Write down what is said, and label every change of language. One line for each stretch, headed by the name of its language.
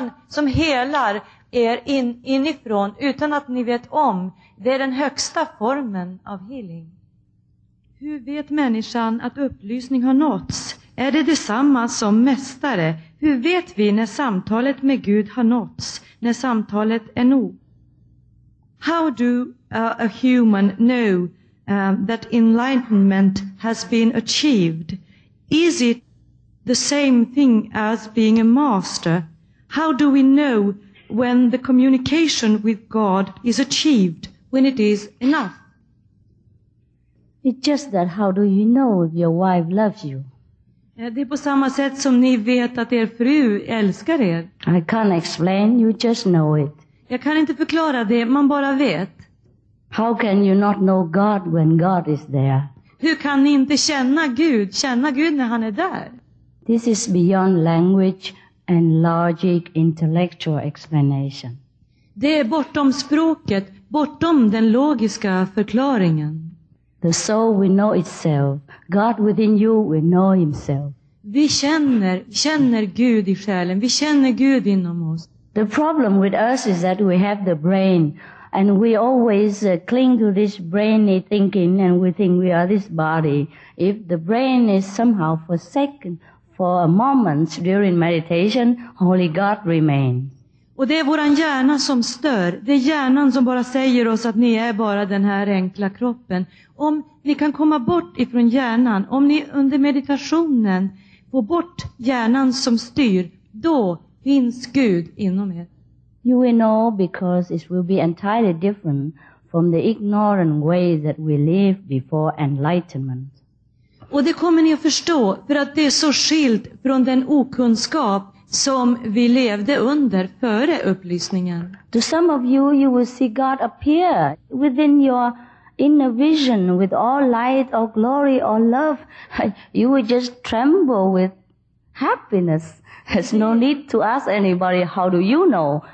Swedish: Som helar er inifrån utan att ni vet om. Det är den högsta formen av healing. Hur vet människan att upplysning har nåtts? Är det detsamma som mästare? Hur vet vi när samtalet med Gud har nåtts? När samtalet är nog?
English: How do a human know that enlightenment has been achieved? Is it the same thing as being a master? How do we know when the communication with God is achieved? When it is enough. It's just that how do you know if your wife loves you?
Swedish: Det är på samma sätt som ni vet att er fru älskar er.
English: I can't explain, you just know it.
Swedish: Jag kan inte förklara det, man bara vet.
English: How can you not know God when God is there?
Swedish: Hur kan ni inte känna Gud när han är där?
English: This is beyond language and logic, intellectual explanation.
Swedish: Det är bortom språket. Bortom den logiska förklaringen.
English: The soul will know itself. God within you will know himself.
Swedish: Vi känner Gud i själen. Vi känner Gud inom oss.
English: The problem with us is that we have the brain. And we always cling to this brainy thinking. And we think we are this body. If the brain is somehow forsaken for a moment during meditation, only God remains.
Swedish: Och det är våran hjärna som stör. Det är hjärnan som bara säger oss att ni är bara den här enkla kroppen. Om ni kan komma bort ifrån hjärnan. Om ni under meditationen på får bort hjärnan som styr, då finns Gud inom er.
English: You will know because it will be entirely different from the ignorant way that we lived before enlightenment.
Swedish: Och det kommer ni att förstå för att det är så skilt från den okunskap som vi levde under före upplysningen.
English: To some of you, you will see God appear within your inner vision with all light or glory or love. You will just tremble with happiness. There's no need to ask anybody, how do you know?